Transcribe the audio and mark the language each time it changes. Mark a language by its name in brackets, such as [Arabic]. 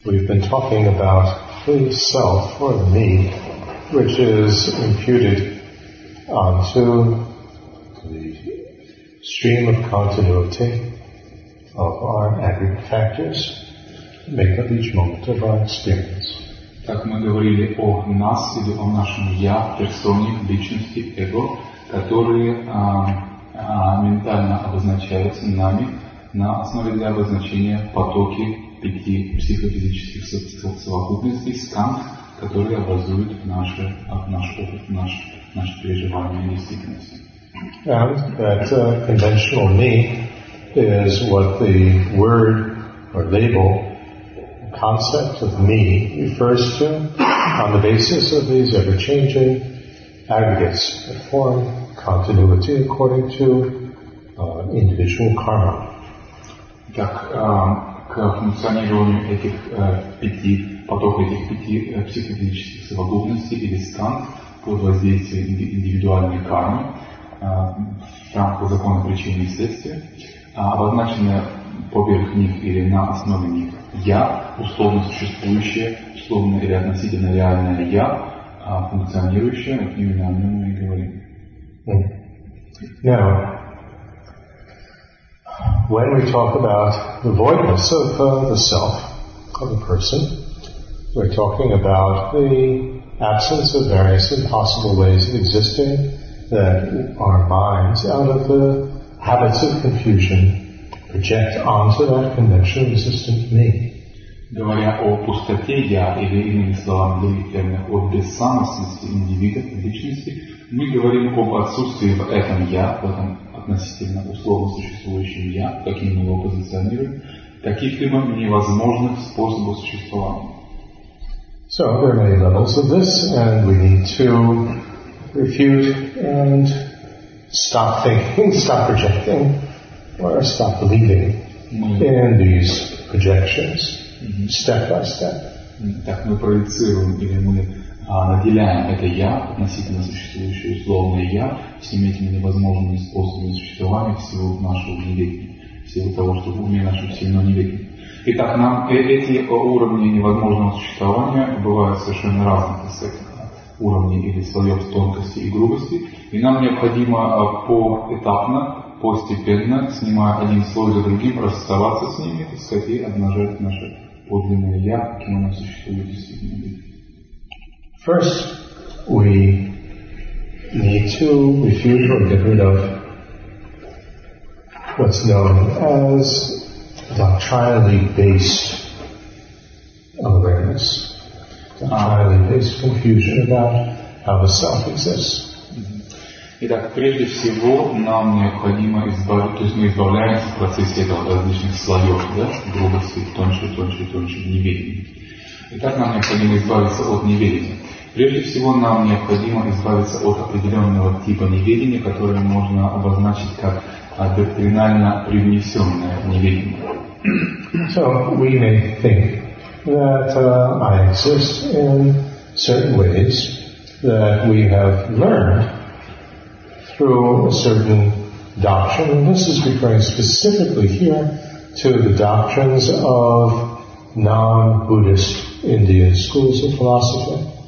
[English] We've been talking about the self or the me, which is imputed onto the stream of continuity of our aggregate factors, make up each moment of our experience. [Russian] Так мы говорили о нас или о нашем я, персоне, личности, эго, которые ментально обозначаются нами на основе для обозначения потоки пяти психофизических совокупностей сканг, которые образуют наши переживания и действительности. [English] And that conventional me is what the word or label concept of me refers to on the basis of these ever-changing aggregates that form continuity according to individual karma. [Russian] Так, к функционированию этих пяти потоков этих пяти психофизических совокупностей или сканг под воздействием индивидуальной кармы в рамках закона причины и следствия, обозначенное поверх них или на основе них я, условно существующее, условно или относительно реальное я, функционирующее, вот именно о нем мы и говорим. [English] Now, when we talk about the voidness of the self, of a person, we're talking about the absence of various impossible ways of existing that our minds, out of the habits of confusion, project onto that conventional resistant me. [Russian] Говоря о пустоте я, или иными словами для термина, о бессамостности индивида, личности, мы говорим об отсутствии в этом я, в этом относительно условно существующем я, каким мы его позиционируем, каких-либо невозможных способов существования. [English] So there are many levels of this, and we need to refute and stop thinking, stop projecting, or stop believing in these projections. Step by step. [Russian] Так мы проецируем или мы наделяем это я относительно существующее условное я всеми этими невозможными способами существования всего нашего неведения, всего того, что в уме нашем сильно неведение. Итак, нам эти уровни невозможного существования бывают совершенно разными с этим уровнем или слоем тонкости и грубости, и нам необходимо поэтапно, постепенно, снимая один слой за другим, расставаться с ними, так сказать, и обнажать наше подлинное я, каким оно существует действительно. [English] First, we need to refute or get rid of what's known as doctrinally based awareness, doctrinally based confusion about how the self exists. [Russian] Итак, прежде всего, нам необходимо избавиться, то есть мы избавляемся в процессе этого различных слоев, да, грубости, тоньше, неведения. Итак, нам необходимо избавиться от неведения. Прежде всего, нам необходимо избавиться от определенного типа неведения, которое можно обозначить как доктринально привнесенное неведение. [English] So, we may think that I exist in certain ways that we have learned through a certain doctrine, and this is referring specifically here to the doctrines of non-Buddhist Indian schools of philosophy.